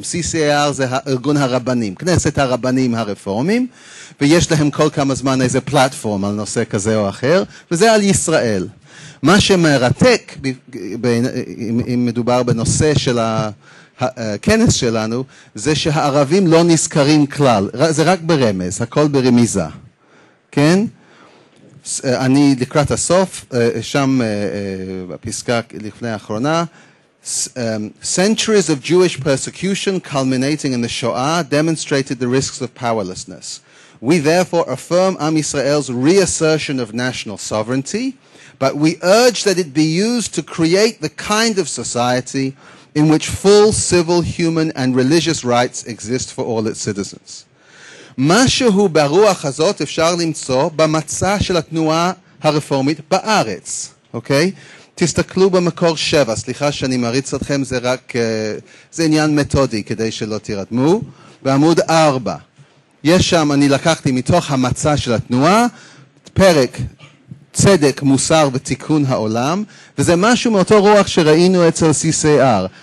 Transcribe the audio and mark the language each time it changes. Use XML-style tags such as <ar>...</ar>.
<he>CCR זה הארגון הרבנים, כנסת הרבנים הרפורמים, ויש להם כל כמה זמן איזה פלטפורם על נושא כזה או אחר, וזה על ישראל. מה שמרתק, אם מדובר בנושא של הכנס שלנו, זה שהערבים לא נזכרים כלל. זה רק ברמז, הכל ברמיזה. כן? אני לקראת הסוף, שם הפסקה לפני האחרונה,</he> <en>centuries of Jewish persecution culminating in the Shoah demonstrated the risks of powerlessness. We therefore affirm Am Yisrael's reassertion of national sovereignty, but we urge that it be used to create the kind of society in which full civil, human, and religious rights exist for all its citizens.</en> <he>משהו ברוח הזאת אפשר למצוא במצע של התנועה הרפורמית בארץ, אוקיי? תסתכלו במקור שבע, סליחה שאני מריץ אתכם, זה רק, זה עניין מתודי כדי שלא תירתמו. בעמוד ארבע, יש שם, אני לקחתי מתוך המצע של התנועה, פרק צדק, מוסר ותיקון העולם, וזה משהו מאותו רוח שראינו אצל CCR.</he>